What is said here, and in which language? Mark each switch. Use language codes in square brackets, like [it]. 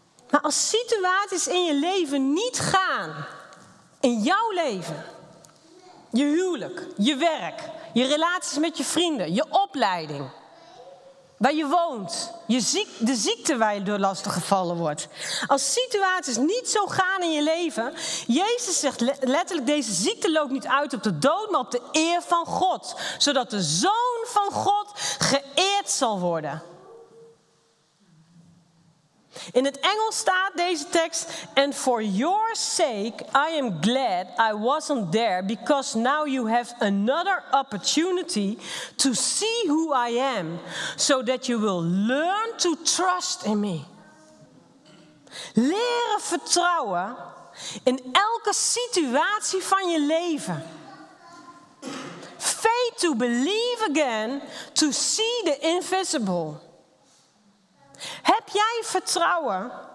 [nl] Maar als situaties in je leven niet gaan, in jouw leven, je huwelijk, je werk, je relaties met je vrienden, je opleiding, waar je woont, de ziekte waar je door lastig gevallen wordt. Als situaties niet zo gaan in je leven, Jezus zegt letterlijk, deze ziekte loopt niet uit op de dood, maar op de eer van God. Zodat de Zoon van God geëerd zal worden. In het Engels staat deze tekst, [en] and for your sake I am glad I wasn't there, because now you have another opportunity to see who I am, so that you will learn to trust in me. [nl] Leren vertrouwen in elke situatie van je leven. [en] Faith to believe again, to see the invisible. [nl] Heb jij vertrouwen